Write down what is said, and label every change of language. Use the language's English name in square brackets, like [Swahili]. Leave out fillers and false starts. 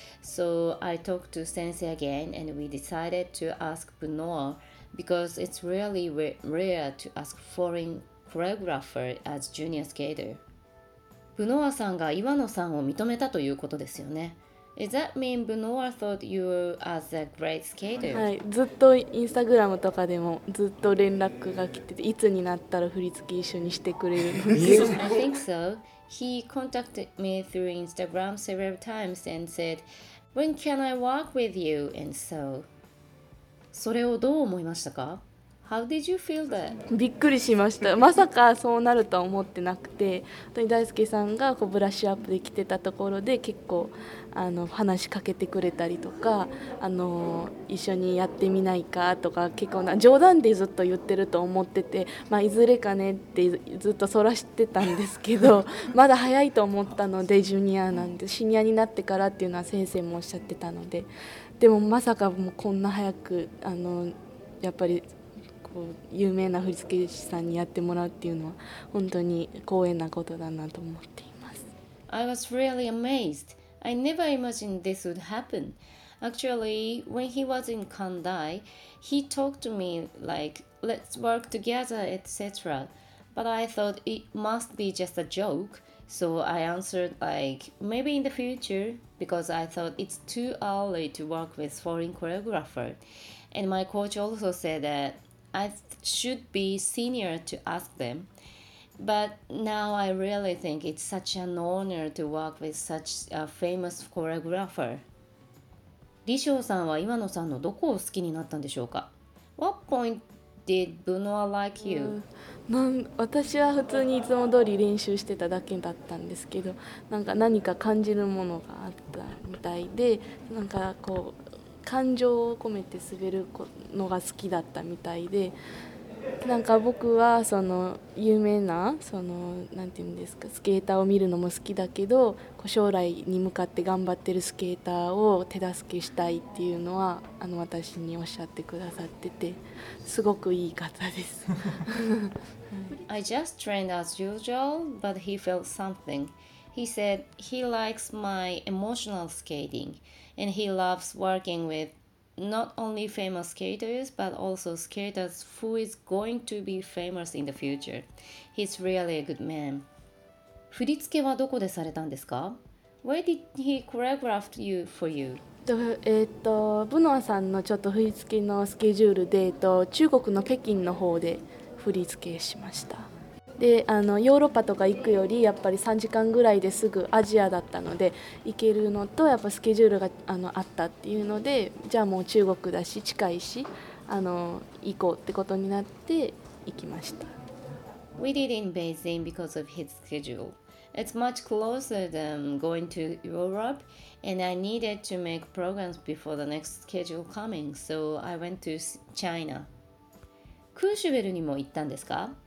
[English] So I talked to sensei again and we decided to ask Bunoa because it's really rare to ask foreign choreographer as junior skater. [Japanese] Bunoa-san が岩野さんを認めたということですよね。 [English] Does that mean Bunoa thought you were as a great skater? [Japanese] はい、ずっとインスタグラムとかでもずっと連絡が来てて、いつになったら振り付け一緒にしてくれるんですか? [English] I think so. He contacted me through Instagram several times and said, When can I work with you? And so. [Japanese] それをどう思いましたか? [English] How did you feel that? [Japanese] びっくりしました。まさかそうなるとは思ってなくて、本当に大輔さんがこうブラッシュアップで来てたところで結構話しかけてくれたりとか、一緒にやってみないかとか結構な冗談でずっと言ってると思ってて、まあ、いずれかねってずっとそらしてたんですけどまだ早いと思ったので、ジュニアなんでシニアになってからっていうのは先生もおっしゃってたので、でもまさかもうこんな早くやっぱりこう有名な振付師さんにやってもらうっていうのは本当に光栄なことだなと思っています。 [English] I was really amazedI never imagined this would happen. Actually, when he was in Kandai, he talked to me like, let's work together, etc. But I thought it must be just a joke. So I answered like, maybe in the future, because I thought it's too early to work with foreign choreographer. And my coach also said that I should be senior to ask them. But now I really think it's such an honor to work with such a famous choreographer. [Japanese] 李翔さんは岩野さんのどこを好きになったんでしょうか。 [English] What point did Benoit like you? [Japanese] 私は普通にいつも通り練習してただけだったんですけど、なんか何か感じるものがあったみたいで、なんかこう感情を込めて滑るのが好きだったみたいで、なんか僕はその有名なそのなんていうんですか、スケーターを見るのも好きだけど、将来に向かって頑張ってるスケーターを手助けしたいっていうのは私におっしゃってくださってて、すごくいい方です。 [English] I just trained as usual, but he felt something. He said he likes my emotional skating and he loves working withNot only famous skaters, but also skaters who is going to be famous in the future. He's really a good man. [Japanese] 振り付けはどこでされたんですか? [English] Where did he choreograph you for you? [Japanese] ブノアさんのちょっと振り付けのスケジュールで、中国の北京の方で振り付けしました。で、ヨーロッパとか行くよりやっぱり3時間ぐらいですぐアジアだったので行けるのと、やっぱスケジュールが あったっていうので、じゃあもう中国だし近いし行こうってことになって行きました。 [English] We did in Beijing because of his schedule. It's much closer than going to Europe and I needed to make programs before the next schedule coming, so I went to China. [Japanese] クーシュベルにも行ったんですか。